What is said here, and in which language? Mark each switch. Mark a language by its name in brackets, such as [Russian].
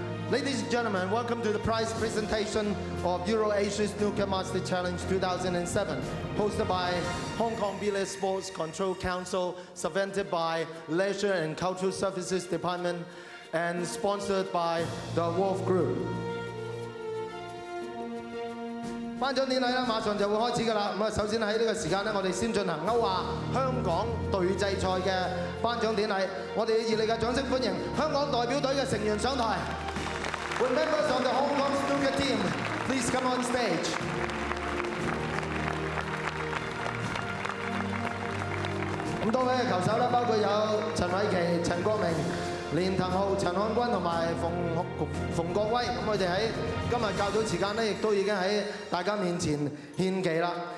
[English] Ladies and gentlemen, welcome to the prize presentation of Euro Asia Snooker Master Challenge 2007, hosted by Hong Kong Billiard Sports Control Council, subvented by Leisure and Cultural Services Department, and sponsored by the Wolf Group. [Cantonese] 頒獎典禮馬上就會開始㗎啦。首先喺呢個時間我哋先進行歐亞香港隊際賽嘅頒獎典禮。我哋熱烈嘅掌聲歡迎香港代表隊嘅成員上台。 [English] Would members of the Hong Kong Snooker team please come on stage? [Cantonese] Dm 多位球手包括有陳偉琪、陳國明、連騰浩、陳漢君同埋馮國威，咁佢哋喺今日較早時間咧，亦都已經喺大家面前獻技啦。